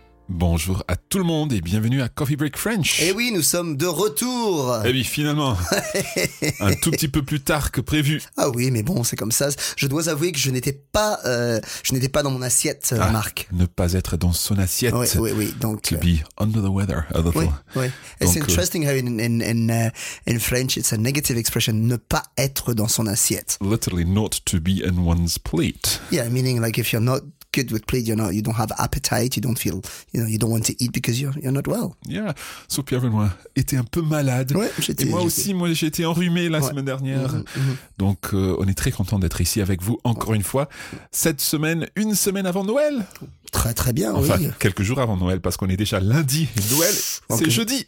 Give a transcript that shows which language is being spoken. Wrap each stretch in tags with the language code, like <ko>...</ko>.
<fr>Bonjour à tout le monde et bienvenue à Coffee Break French. Eh oui, nous sommes de retour. Eh oui, finalement. Un tout petit peu plus tard que prévu. Ah oui, mais bon, c'est comme ça. Je dois avouer que je n'étais pas dans mon assiette, ah, Marc. Ne pas être dans son assiette. Oui, oui, oui. Donc,</fr> <en>to be under the weather a little.</en> <fr>Oui, oui.</fr> <en>It's donc, interesting how in French it's a negative expression,</en> <fr>ne pas être dans son assiette.</fr> <en>Literally, not to be in one's plate. Yeah, meaning like if you're not good with plate, you're not, you don't have appetite, you don't feel, you know, you don't want to eat because you're not well. Yeah, so</en> <fr>Pierre Benoît était un peu malade. Ouais, j'ai été enrhumé la semaine dernière. Donc on est très content d'être ici avec vous encore une fois cette semaine, une semaine avant Noël. Très très bien. Enfin, oui, quelques jours avant Noël parce qu'on est déjà lundi. Noël, c'est okay. Jeudi.</fr>